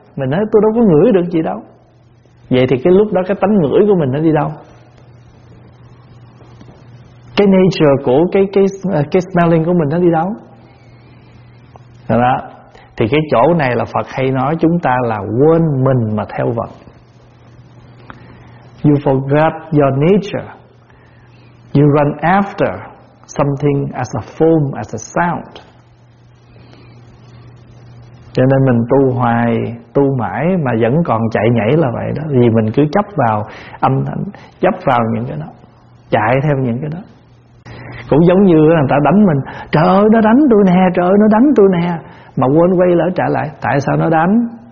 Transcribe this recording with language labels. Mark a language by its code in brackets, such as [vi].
[vi] Mình nói tôi đâu có ngửi được gì đâu. Vậy thì cái lúc đó cái tánh ngửi của mình nó đi đâu? Cái nature của cái smelling của mình nó đi đâu? Đó. Thì cái chỗ này là Phật hay nói chúng ta là quên mình mà theo vật. [en] You forgot your nature. You run after something as a form, as a sound. [vi] Cho nên mình tu hoài, tu mãi mà vẫn còn chạy nhảy là vậy đó. Vì mình cứ chấp vào âm thanh, chấp vào những cái đó, chạy theo những cái đó. Cũng giống như người ta đánh mình, trời ơi nó đánh tôi nè, trời ơi nó đánh tôi nè, mà quên quay lại trả lại, tại sao nó đánh?